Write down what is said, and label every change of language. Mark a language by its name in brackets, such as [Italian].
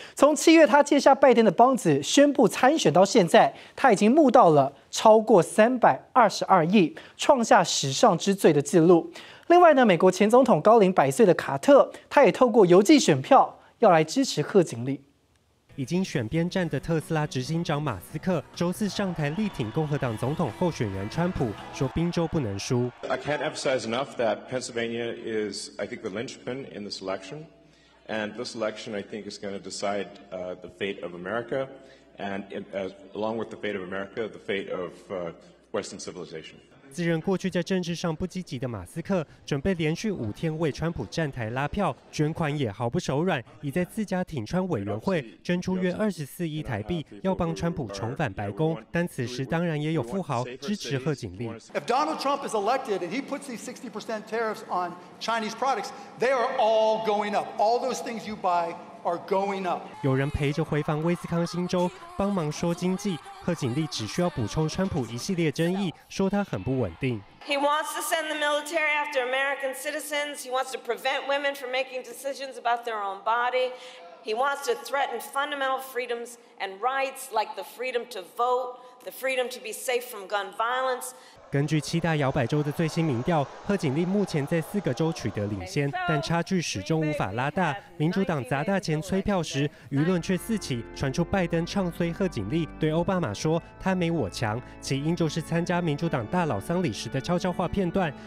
[Chinese] 从7月他接下拜登的帮子宣布参选到现在，他已经募到了超过322亿，创下史上之最的纪录。另外呢，美国前总统高龄百岁的卡特，他也透过邮寄选票要来支持贺锦丽。已经选边站的特斯拉执行长马斯克周四上台力挺共和党总统候选人川普，说宾州不能输。 [English] I can't emphasize enough that Pennsylvania is, I think, the linchpin in this election, and this election, I think, is going to decide the fate of America, and along with the fate of America, the fate of Western civilization. [Chinese] 自认过去在政治上不积极的马斯克，准备连续5天为川普站台拉票，捐款也毫不手软，已在自家挺川委员会捐出约24亿台币，要帮川普重返白宫。但此时当然也有富豪支持贺锦丽。 [English] If Donald Trump is elected and he puts these 60% tariffs on Chinese products, they are all going up. All those things you buy. Are going up. [Chinese] 有人陪着回访威斯康星州帮忙说经济，贺锦丽只需要补充川普一系列争议，说他很不稳定。 [English] He wants to send the military after American citizens. He wants to prevent women from making decisions about their own body. He wants to threaten fundamental freedoms and rights like the freedom to vote, the freedom to be safe from gun violence. [Chinese] 根据七大摇摆州的最新民调，贺锦丽目前在4个州取得领先，但差距始终无法拉大。民主党砸大钱催票时，舆论却四起，传出拜登唱衰贺锦丽，对奥巴马说他没我强，起因就是参加民主党大佬丧礼时的悄悄话片段。